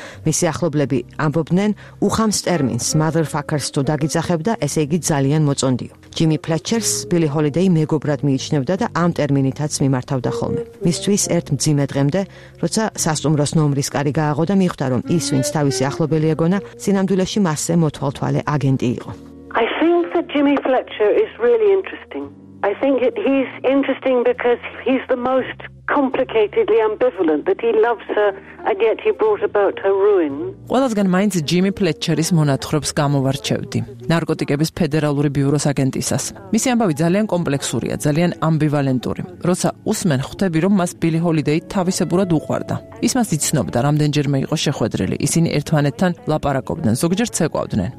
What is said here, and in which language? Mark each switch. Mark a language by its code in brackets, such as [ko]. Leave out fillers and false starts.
[ka] მისი ახლობლები ამბობდნენ: უხამს ტერმინს motherfuckers თუ დაგიძახებ და ესე იგი ძალიან მოწონდიო. ჯიმი ფლეტჩერს ბილი ჰოლიდეი მეგობრად მიიჩნევდა და ამ ტერმინითაც მიმართავდა ხოლმე. მისთვის ერთ მძიმე დღემდე, როცა სასტუმროს ნომრის კარი გააღო და მიხვდა, რომ ის, ვინც თავისი ახლობელი ეგონა, სინამდვილეში მასზე მოთვალთვალე აგენტი იყო. [en] I feel that Jimmy Fletcher is really interesting. I think that he's interesting because he's the most complicatedly ambivalent, that he loves her and yet he brought about her ruin. [ka] ყველას განმაინც ჯიმი ფლეტჩერის მონათხრობს გამოვარჩევდი. ნარკოტიკების ფედერალური ბიუროს აგენტისას. მისი ამბავი ძალიან კომპლექსურია, ძალიან ამბივალენტური. როცა უსმენ, ხვდები, რომ მას ბილი ჰოლიდეი თავისებურად უყვარდა. ის მას იცნობდა, რამდენჯერმე იყო შეხვედრილი. ისინი ერთმანეთთან ლაპარაკობდნენ, ზოგჯერ ცეკვავდნენ.